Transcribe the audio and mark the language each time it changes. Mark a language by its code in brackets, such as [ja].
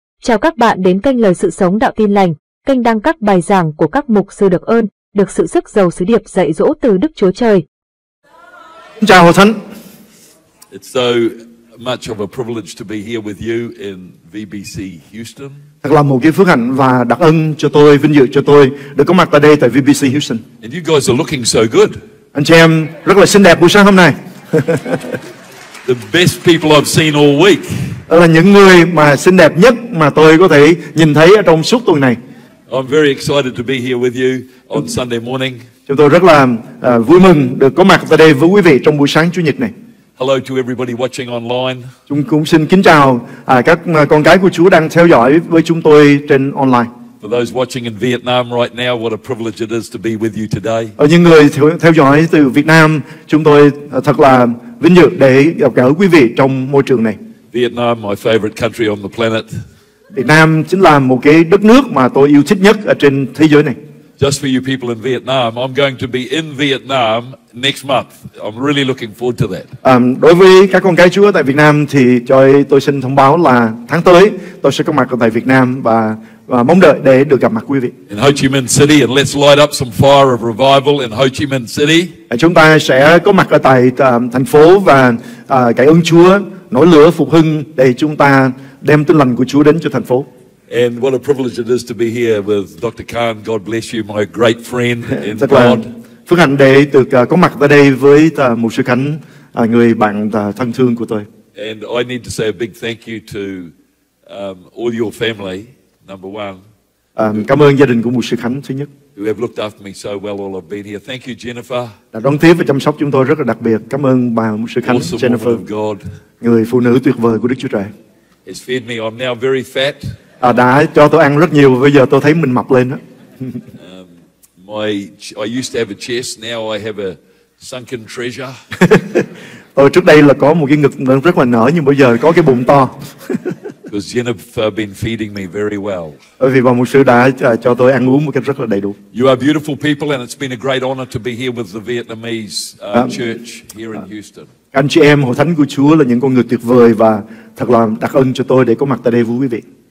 [vi] Chào các bạn đến kênh Lời Sự Sống Đạo Tin Lành, kênh đăng các bài giảng của các mục sư được ơn, được sự sức dầu sứ điệp dạy dỗ từ Đức Chúa Trời. Chào Hội Thánh. [en] It's so much of a privilege to be here with you in VBC Houston. [vi] Thật là một cái phước hạnh và đặc ân cho tôi, vinh dự cho tôi được có mặt tại đây tại VBC Houston. [en] And you guys are looking so good. [vi] Anh chị em rất là xinh đẹp buổi sáng hôm nay. [en] The best people I've seen all week. [vi] Đó là những người mà xinh đẹp nhất mà tôi có thể nhìn thấy ở trong suốt tuần này. [en] I'm very excited to be here with you on Sunday morning. [vi] Chúng tôi rất là vui mừng được có mặt tại đây với quý vị trong buổi sáng Chủ nhật này. [en] Hello to everybody watching online. [vi] Chúng cũng xin kính chào các con cái của Chúa đang theo dõi với chúng tôi trên online. [en] For those watching in Vietnam right now, what a privilege it is to be with you today. [vi] Ở những người theo dõi từ Việt Nam, chúng tôi thật là vinh dự để gặp gỡ quý vị trong môi trường này. [en] Vietnam, my favorite country on the planet. [vi] Việt Nam chính là một cái đất nước mà tôi yêu thích nhất ở trên thế giới này. [en] Just for you people in Vietnam, I'm going to be in Vietnam next month. I'm really looking forward to that. [vi] Đối với các con cái Chúa tại Việt Nam thì cho tôi xin thông báo là tháng tới tôi sẽ có mặt tại Việt Nam và mong đợi để được gặp mặt quý vị. [en] In Ho Chi Minh City, and let's light up some fire of revival in Ho Chi Minh City. [vi] Chúng ta sẽ có mặt ở tại thành phố và cảm ơn Chúa, nổi lửa phục hưng để chúng ta đem tin lành của Chúa đến cho thành phố. [en] And what a privilege it is to be here with Dr. Khan. God bless you, my great friend in God. [vi] Là phước hạnh để được có mặt tại đây với Mục sư Khánh, người bạn thân thương của tôi. [en] And I need to say a big thank you to all your family, number one. [vi] Cảm ơn gia đình của Mục sư Khánh thứ nhất. [en] Who have looked after me so well while I've been here. Thank you, Jennifer. [vi] Đã đón tiếp và chăm sóc chúng tôi rất là đặc biệt. Cảm ơn bà Mục sư Khánh, [en] awesome Jennifer. Woman of God. [vi] Người phụ nữ tuyệt vời của Đức Chúa Trời. [en] Has fed me. I'm now very fat. [vi] Đã cho tôi ăn rất nhiều và bây giờ tôi thấy mình mập lên đó. [en] I used to have a chest, now I have a sunken treasure. [vi] Tôi trước đây là có một cái ngực rất là nở nhưng bây giờ có cái bụng to. [en] Because Jennifer been feeding me very well. [vi] Bởi vì bà mục sư đã cho tôi ăn uống một cách rất là đầy đủ. [en] You are beautiful people and it's been a great honor to be here with the Vietnamese church here in Houston. [vi] Anh chị em hội thánh của Chúa là những con người tuyệt vời và thật là đặc ân cho tôi để có mặt tại đây với quý vị.